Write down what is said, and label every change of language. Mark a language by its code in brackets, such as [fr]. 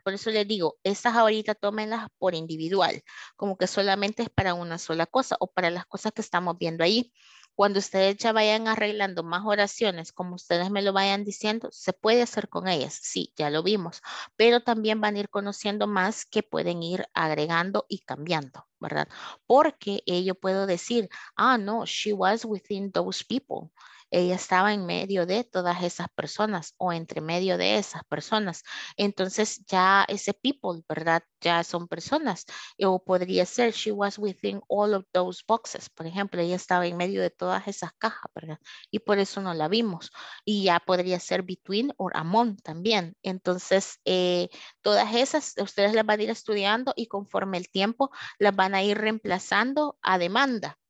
[es] Por eso les digo, estas ahorita tómenlas por individual, como que solamente es para una sola cosa o para las cosas que estamos viendo ahí. Cuando ustedes ya vayan arreglando más oraciones, como ustedes me lo vayan diciendo, se puede hacer con ellas. Sí, ya lo vimos. Pero también van a ir conociendo más que pueden ir agregando y cambiando, ¿verdad? Porque yo puedo decir, ah, no, [en] she was within those people. [es] Ella estaba en medio de todas esas personas o entre medio de esas personas. Entonces ya ese people, ¿verdad? Ya son personas. O podría ser, [en] she was within all of those boxes. [es] Por ejemplo, ella estaba en medio de todas esas cajas, ¿verdad? Y por eso no la vimos. Y ya podría ser between or among también. Entonces, todas esas, ustedes las van a ir estudiando y conforme el tiempo las van a ir reemplazando a demanda.